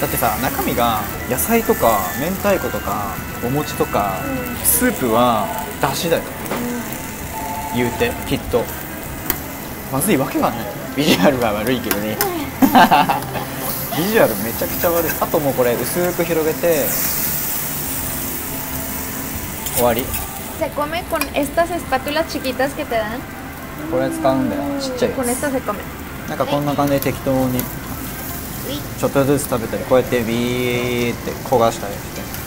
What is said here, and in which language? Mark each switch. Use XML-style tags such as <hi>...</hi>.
<ja>だってさ、中身が野菜とか明太子とかお餅とか、うん、スープは出汁だよ、うん、言うて、きっとまずいわけがない。ビジュアルは悪いけどね、うん、ビジュアルめちゃくちゃ悪い。あともうこれ薄く広げて終わり。</ja> <es>¿Se come con estas espátulas chiquitas que te dan?</es> <ja>これ使うんだよ、ちっちゃいやつ。</ja> <es>con estas se come.</es> <ja>なんかこんな感じで適当にちょっとずつ食べたり、こうやってビーって焦がしたりして。</ja>